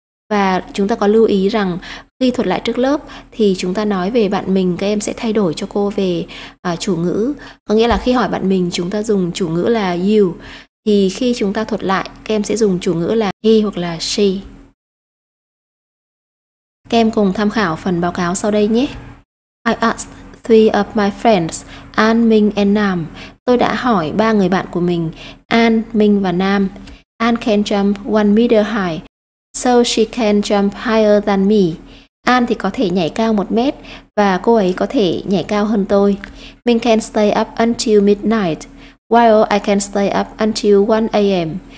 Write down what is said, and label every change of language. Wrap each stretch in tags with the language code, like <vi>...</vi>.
<vi>Và chúng ta có lưu ý rằng khi thuật lại trước lớp thì chúng ta nói về bạn mình, các em sẽ thay đổi cho cô về chủ ngữ. Có nghĩa là khi hỏi bạn mình chúng ta dùng chủ ngữ là you. Thì khi chúng ta thuật lại, các em sẽ dùng chủ ngữ là he hoặc là she. Các em cùng tham khảo phần báo cáo sau đây nhé.</vi> <en>I asked 3 of my friends, An, Minh and Nam.</en> <vi>Tôi đã hỏi 3 người bạn của mình, An, Minh và Nam.</vi> <en>An can jump 1 meter high, so she can jump higher than me.</en> <vi>An thì có thể nhảy cao 1 mét và cô ấy có thể nhảy cao hơn tôi.</vi> <en>Minh can stay up until midnight, while I can stay up until 1 a.m.</en>